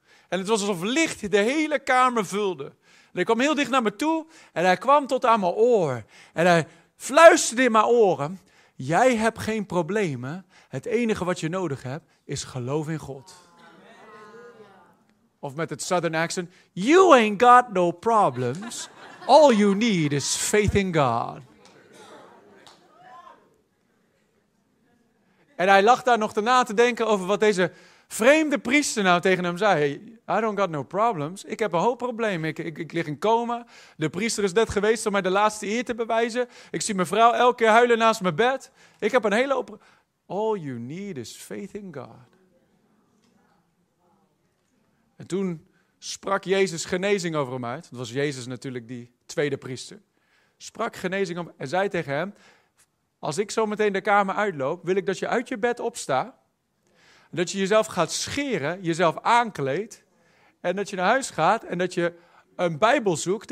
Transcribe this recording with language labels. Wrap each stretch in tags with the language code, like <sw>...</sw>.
<nl>En het was alsof licht de hele kamer vulde. En hij kwam heel dicht naar me toe en hij kwam tot aan mijn oor. En hij fluisterde in mijn oren. Jij hebt geen problemen. Het enige wat je nodig hebt is geloof in God. Of met het southern accent.</nl> <en>You ain't got no problems. All you need is faith in God.</en> <nl>En hij lag daar nog te na te denken over wat deze vreemde priester nou tegen hem zei.</nl> <en>Hey, I don't got no problems.</en> <nl>Ik heb een hoop problemen. Ik lig in coma. De priester is net geweest om mij de laatste eer te bewijzen. Ik zie mijn vrouw elke keer huilen naast mijn bed. Ik heb een hele hoop.</nl> <en>All you need is faith in God.</en> <nl>En toen sprak Jezus genezing over hem uit. Het was Jezus natuurlijk die tweede priester. Sprak genezing om en zei tegen hem, als ik zo meteen de kamer uitloop, wil ik dat je uit je bed opstaat. Dat je jezelf gaat scheren, jezelf aankleedt. En dat je naar huis gaat en dat je een Bijbel zoekt.</nl>